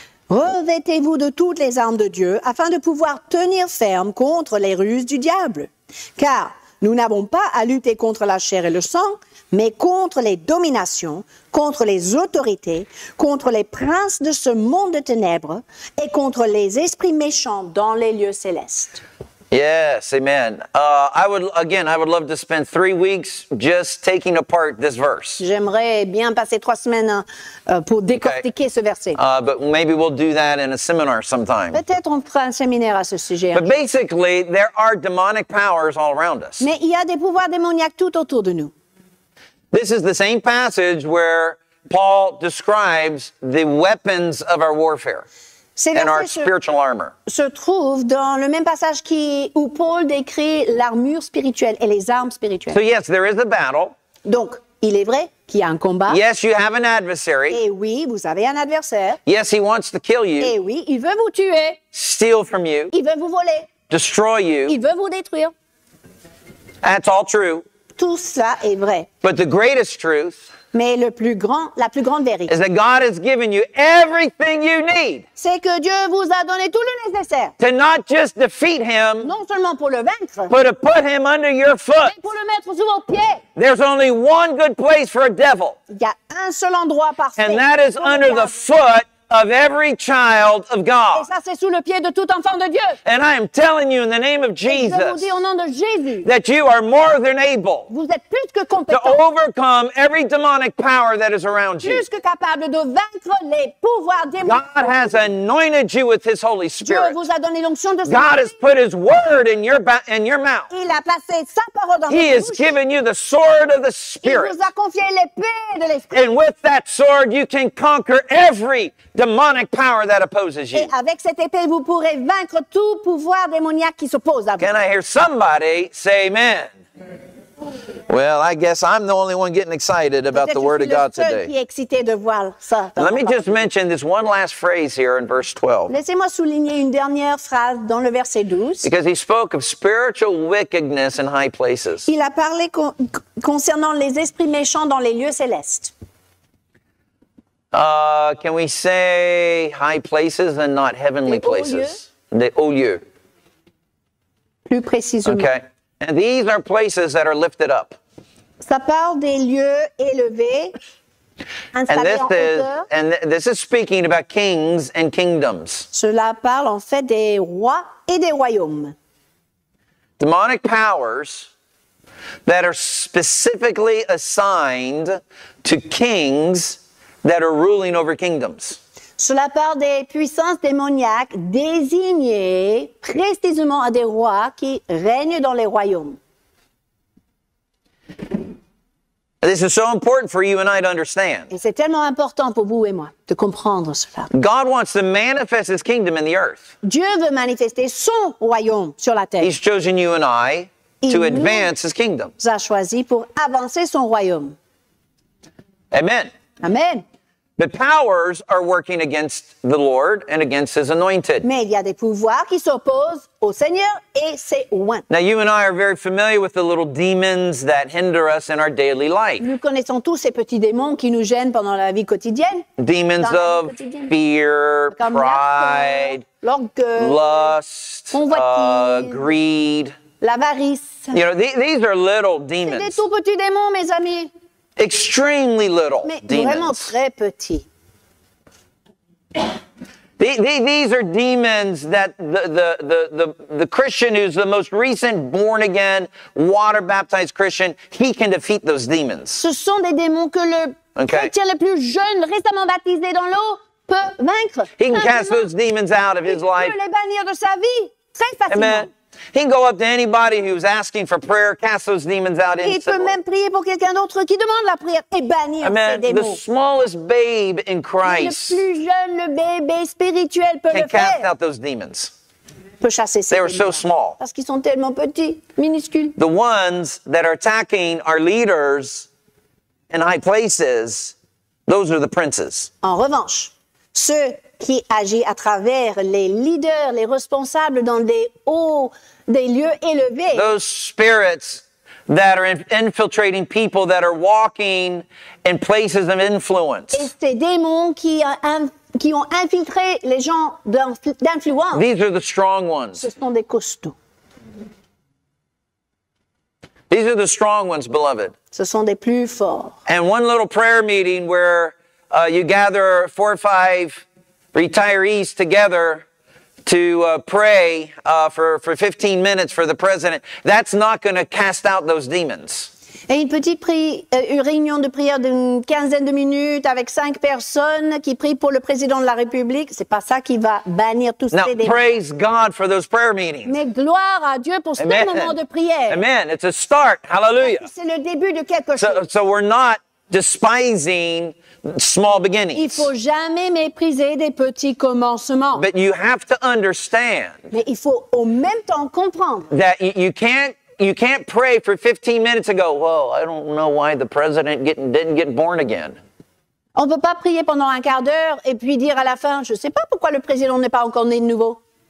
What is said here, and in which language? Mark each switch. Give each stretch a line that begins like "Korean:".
French: Revêtez-vous de toutes les armes de Dieu afin de pouvoir tenir ferme contre les ruses du diable. Car nous n'avons pas à lutter contre la chair et le sang, mais contre les dominations, contre les autorités, contre les princes de ce monde de ténèbres et contre les esprits méchants dans les lieux célestes.
English: Yes, amen. I would love to spend 3 weeks just taking apart this verse.
French: J'aimerais bien passer 3 semaines pour décortiquer okay. ce verset.
English: But maybe we'll do that in a seminar sometime.
French: Peut-être on fera un séminaire à ce sujet.
English: But basically, there are demonic powers all around us.
French: Mais il y a des pouvoirs démoniaques tout autour de nous.
English: This is the same passage where Paul describes the weapons of our warfare. And our spiritual armor.
French: Se trouve dans le même passage qui, où Paul décrit l'armure spirituelle et les armes spirituelles.
English: So yes, there is a battle.
French: Donc, il est vrai qu'il y a un combat.
English: Yes, you have an adversary.
French: Et oui, vous avez un adversaire.
English: Yes, he wants to kill you.
French: Et oui, il veut vous tuer.
English: Steal from you.
French: Il veut vous voler.
English: Destroy you.
French: Il veut vous détruire.
English: That's all true.
French: Tout ça est vrai.
English: But the greatest truth
French: Mais le plus grand, la plus grande vérité,
English: is that God has given you everything you need.
French: C'est que Dieu vous a donné tout le nécessaire.
English: To not just defeat him,
French: non seulement pour le vaincre,
English: but to put him under your foot.
French: Mais pour le mettre sous vos pieds.
English: There's only one good place for a devil.
French: Il y a un seul endroit parfait.
English: And that is under the foot of every child of God.
French: Et ça, c'est sous le pied de tout enfant de Dieu.
English: And I am telling you in the name of Jesus,
French: Et je vous dis au nom de Jésus,
English: that you are more than able
French: vous êtes plus que compétent,
English: to overcome every demonic power that is around you.
French: Plus que capable de vaincre les pouvoirs démoniaques.
English: God has anointed you with his Holy Spirit.
French: Dieu vous a donné l'onction de
English: God has put his word in your mouth.
French: Il a placé sa parole dans
English: he has given you the sword of the Spirit.
French: Il vous a confié l'épée de l'esprit.
English: And with that sword, you can conquer every demonic power that opposes you.
French: Et avec cette épée, vous pourrez vaincre tout pouvoir démoniaque qui s'oppose à vous.
English: Can I hear somebody say amen? Well, I guess I'm the only one getting excited about the word of God today.
French: Peut-être que je suis le seul qui est excité de voir ça.
English: Let me just mention this one last phrase here in verse 12.
French: Laissez-moi souligner une dernière phrase dans le verset 12.
English: Because he spoke of spiritual wickedness in high places.
French: Il a parlé concernant les esprits méchants dans les lieux célestes.
English: Can we say high places and not heavenly places?
French: The haut lieu. Plus précisément.
English: Okay. And these are places that are lifted up.
French: Ça parle des lieux élevés.
English: And this is speaking about kings and kingdoms.
French: Cela parle en fait des rois et des royaumes.
English: Demonic powers that are specifically assigned to kings that are ruling over kingdoms.
French: Cela parle des puissances démoniaques désignées précisément à des rois qui règnent dans les royaumes.
English: This is so important for you and I to understand.
French: Et c'est tellement important pour vous et moi de comprendre cela.
English: God wants to manifest his kingdom in the earth.
French: Dieu veut manifester son royaume sur la terre.
English: He's chosen you and I to advance his kingdom.
French: Il nous a choisi pour avancer son royaume.
English: Amen. Amen. The powers are working against the Lord and against his anointed.
French: Mais il y a des pouvoirs qui s'opposent au Seigneur et ses oints.
English: Now you and I are very familiar with the little demons that hinder us in our daily life.
French: Nous connaissons tous ces petits démons qui nous gênent pendant la vie quotidienne.
English: Demons of fear, pride, lust, greed.
French: L'avarice.
English: You know, these are little demons.
French: C'est des tout petits démons, mes amis.
English: Extremely little
French: Mais
English: demons.
French: Vraiment très petit.
English: These are demons that the Christian who's the most recent born again water baptized Christian, he can defeat those demons.
French: Ce sont des démons que le chrétien le plus jeune récemment baptisé dans l'eau peut vaincre.
English: He can cast those demons out of his life.
French: Il peut les bannir de sa vie très facilement.
English: Amen. He can go up to anybody who's asking for prayer, cast those demons out instantly.
French: Il peut même prier pour quelqu'un d'autre qui demande la prière et bannir ces démons.
English: The smallest babe in Christ.
French: Le plus jeune, le bébé spirituel peut le faire.
English: Can cast out those demons.
French: Peut chasser ces
English: démons. They are so small.
French: Parce qu'ils sont tellement petits, minuscules.
English: The ones that are attacking our leaders in high places, those are the princes.
French: En revanche, ceux qui agit à travers les leaders, les responsables dans des hauts, des lieux élevés.
English: Those spirits that are infiltrating people that are walking in places of influence.
French: Et ces démons qui ont infiltré les gens d'influence.
English: These are the strong ones.
French: Ce sont des costauds.
English: These are the strong ones, beloved.
French: Ce sont des plus forts.
English: And one little prayer meeting where you gather four or five retirees together to pray for 15 minutes for the president. That's not going to cast out those demons.
French: Et une petite une réunion de prière d'une quinzaine de minutes avec cinq personnes qui prient pour le président de la République, c'est pas ça qui va bannir tous ces démons.
English: Now praise God for those prayer meetings.
French: Mais gloire à Dieu pour ce moment de prière.
English: Amen. It's a start. Hallelujah.
French: C'est le début de quelque chose.
English: So we're not despising small beginnings.
French: Il faut jamais mépriser des petits commencements.
English: But you have to understand.
French: Mais il faut au même temps comprendre.
English: That you can't pray for 15 minutes and go, "Well, I don't know why the president didn't get born again."
French: On peut pas prier pendant un quart d'heure et puis dire à la fin, "Je sais pas pourquoi le président n'est pas encore né de nouveau."